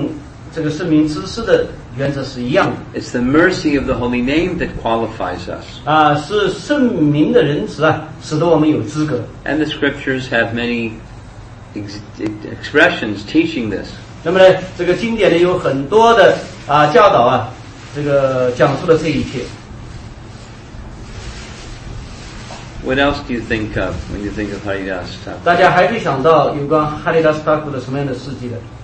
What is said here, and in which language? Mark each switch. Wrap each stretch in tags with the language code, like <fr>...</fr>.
<zh>也就是和哈里达斯塔库的能够成为唱诵这个圣名之师的原则是一样的。</zh> <en>It's the mercy of the holy name that qualifies us.</en> <zh>是圣名的仁慈啊，使得我们有资格。</zh> <en>And the scriptures have many expressions teaching this.</en> <zh>那么呢，这个经典呢有很多的教导啊，这个讲述了这一切。</zh> <en>What else do you think of when you think of Haridas Thakur?</en> <zh>大家还会想到有关哈里达斯塔库的什么样的事迹的？</zh>